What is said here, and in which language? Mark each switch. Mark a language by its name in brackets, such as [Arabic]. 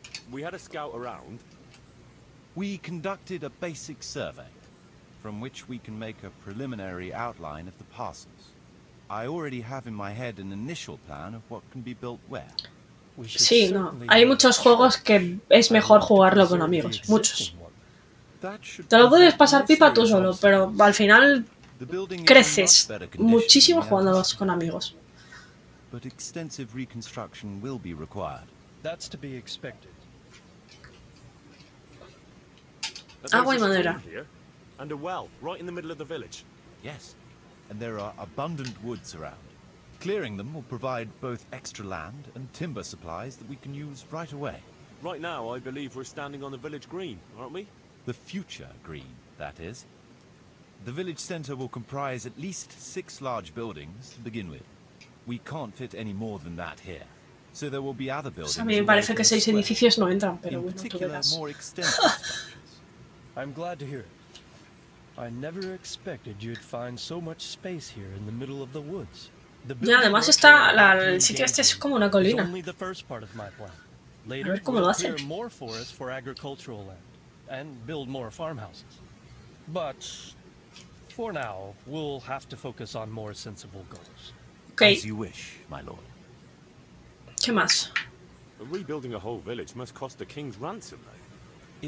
[English] We had a scout around. We conducted a basic survey, from which we can make a preliminary outline of the parcels. I already have in my head an initial plan of what can be built where. [Spanish] Sí, no. Hay muchos juegos que es mejor jugarlo con amigos. Muchos. Te lo puedes pasar pipa tú solo, pero al final creces muchísimo jugándolos con amigos. [English] But extensive reconstruction will be required. That's to be expected. [Spanish] Agua y madera. [English] And a well right in the middle of the village. Yes. And there are abundant woods around. Clearing them will provide both extra land and timber supplies that we can use right away. Right now I believe we're standing on the village green, aren't we? The future green, that is. The village center will comprise at least 6 large buildings to begin with. We can't fit any more than that here. So there will be other buildings. [Spanish] A mí me parece que 6 edificios no entran, pero bueno, particular, tú verás. [English] More extensive structures. I'm glad to hear it. I never expected you'd find so much space here in the middle of the woods. [Spanish] Ya, además está el sitio este es como una colina. [English] Only the first part of my plan. Later, more forest for agricultural land. And build more farmhouses. But for now, we'll have to focus on more sensible goals. Okay. As you wish, my lord. [Spanish] ¿Qué más? [English] Rebuilding a whole village must cost a king's ransom, though.